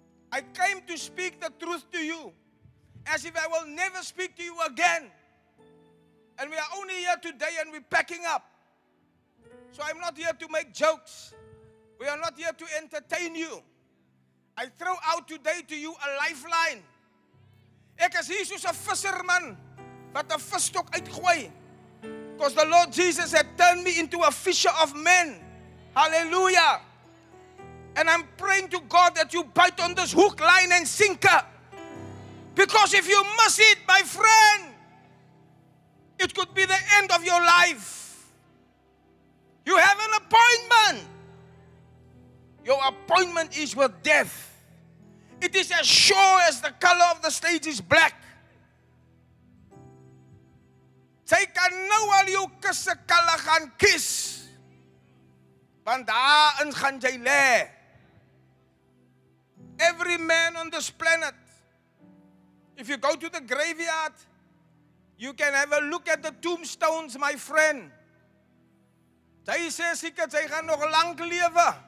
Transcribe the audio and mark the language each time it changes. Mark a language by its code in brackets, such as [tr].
[en] I came to speak the truth to you as if I will never speak to you again. And we are only here today and we're packing up. So I'm not here to make jokes. We are not here to entertain you. I throw out today to you a lifeline. [af] Ek is hier soos 'n visserman wat 'n visstok uitgooi. [en] Because the Lord Jesus had turned me into a fisher of men. Hallelujah. And I'm praying to God that you bite on this hook, line and sinker. Because if you miss it, my friend, it could be the end of your life. You have an appointment. Your appointment is with death. It is as sure as the color of the stage is black. [af] Jy kan nou al jou kisse kalle gaan kies. Want daarin gaan jy lê. [en] Every man on this planet, if you go to the graveyard, you can have a look at the tombstones, my friend. [af] Jy sê seker jy gaan nog lank lewe.